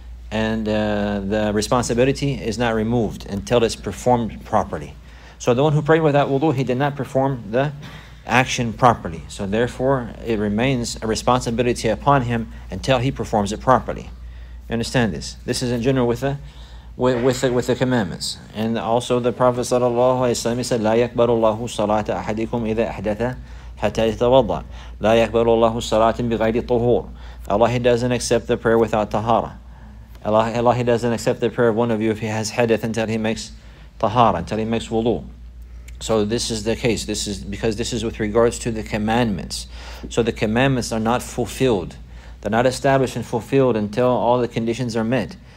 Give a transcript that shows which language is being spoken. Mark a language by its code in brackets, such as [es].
[en] And the responsibility is not removed until it's performed properly. So the one who prayed without wudu, he did not perform the action properly. So therefore, it remains a responsibility upon him until he performs it properly. You understand this? This is in general with the commandments. And also the Prophet sallallahu alaihi wasallam said, [ar] لا يقبل الله صلاة أحدكم إذا أحدث حتى يتوضع. لا يقبل الله صلاة بغير طهور. [en] Allah, He doesn't accept the prayer without tahara. Allah, He doesn't accept the prayer of one of you if he has hadith until he makes tahara, until he makes wudu. So this is the case. This is because this is with regards to the commandments. So the commandments are not fulfilled. They're not established and fulfilled until all the conditions are met.